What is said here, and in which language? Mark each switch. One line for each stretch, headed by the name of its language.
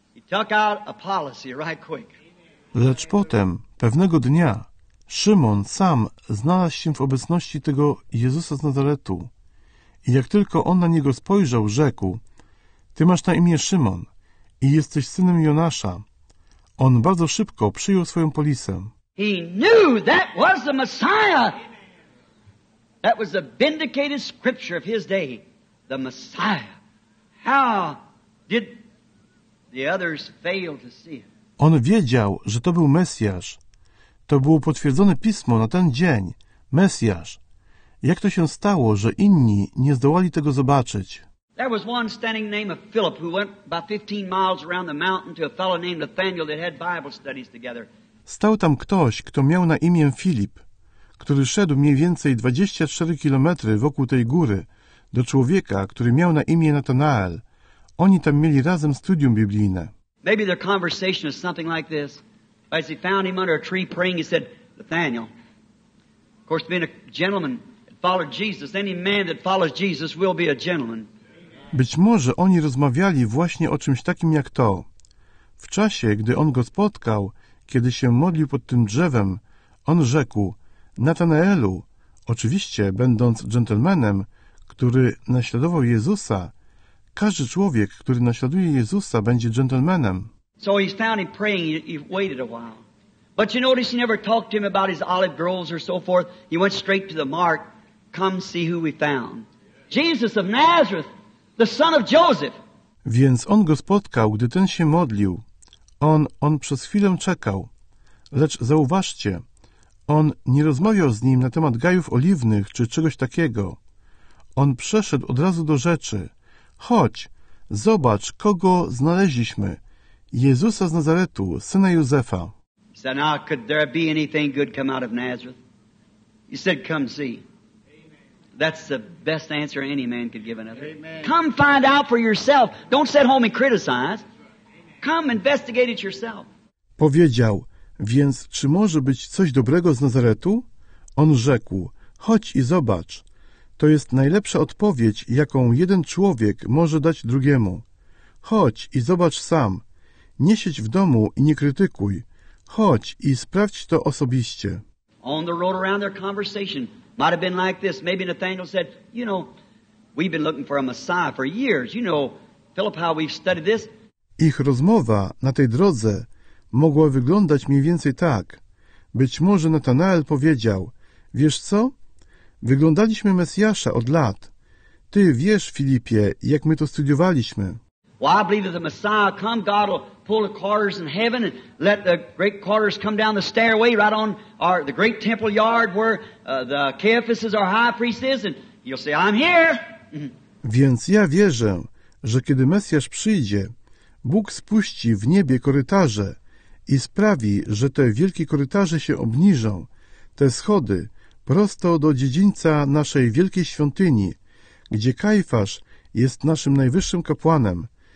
English: Took out a policy right quick.
Polish: Lecz potem, pewnego dnia, Szymon sam znalazł się w obecności tego Jezusa z Nazaretu. I jak tylko on na niego spojrzał, rzekł, ty masz na imię Szymon i jesteś synem Jonasza. On bardzo szybko przyjął swoją polisę.
English: He knew that was the Messiah. That was the vindicated scripture of his day. The Messiah. How did... The others failed to see him.
Polish: On wiedział, że to był Mesjasz. To było potwierdzone pismo na ten dzień. Mesjasz. Jak to się stało, że inni nie zdołali tego zobaczyć?
English: There was one standing named Philip who went about 15 miles around the mountain to a fellow named Nathaniel that had Bible studies together.
Polish: Stał tam ktoś, kto miał na imię Filip, który szedł mniej więcej 24 kilometry wokół tej góry do człowieka, który miał na imię Natanael. Oni tam mieli razem studium biblijne.
English: Maybe their conversation is something like this. As he found him under a tree praying, he said, Nathaniel. Of course, being a gentleman that followed Jesus, any man that follows Jesus will be a gentleman.
Polish: Być może oni rozmawiali właśnie o czymś takim jak to. W czasie, gdy on go spotkał, kiedy się modlił pod tym drzewem, on rzekł, Natanaelu, oczywiście będąc dżentelmenem, który naśladował Jezusa, każdy człowiek, który naśladuje Jezusa, będzie dżentelmenem.
English: So he found him praying, he waited a while. But you notice he never talked to him about his olive groves or so forth. He went straight to the mark. Come see who we found. Jesus of Nazareth, the son of Joseph.
Polish: Więc on go spotkał, gdy ten się modlił. On przez chwilę czekał. Lecz zauważcie, on nie rozmawiał z nim na temat gajów oliwnych czy czegoś takiego. On przeszedł od razu do rzeczy. Chodź, zobacz, kogo znaleźliśmy. Jezusa z Nazaretu, syna Józefa.
English: He said, now, could there be anything good come out of Nazareth? He said, come see. Amen. That's the best answer any man could give another. Amen. Come find out for yourself. Don't sit home and criticize. Come investigate it yourself.
Polish: Powiedział, więc czy może być coś dobrego z Nazaretu? On rzekł, chodź i zobacz. To jest najlepsza odpowiedź, jaką jeden człowiek może dać drugiemu. Chodź i zobacz sam. Nie siedź w domu i nie krytykuj. Chodź i sprawdź to osobiście.
English: On the road around their conversation might have been like this. Maybe Nathaniel said, you know, we've been looking for a Messiah for years. You know, Philip, how we've studied this.
Polish: Ich rozmowa na tej drodze mogła wyglądać mniej więcej tak. Być może Natanael powiedział, wiesz co? Wyglądaliśmy Mesjasza od lat. Ty wiesz, Filipie, jak my to studiowaliśmy.
English: Well, I believe if the Messiah come, God will pull the quarters in heaven and let the great quarters come down the stairway right on our the great temple yard where the Caiaphas is our high priest is, and you'll say, I'm here.
Polish: Więc ja wierzę, że kiedy Mesjasz przyjdzie, Bóg spuści w niebie korytarze i sprawi, że te wielkie korytarze się obniżą, te schody, prosto do dziedzińca naszej wielkiej świątyni, gdzie Kajfasz jest naszym najwyższym kapłanem.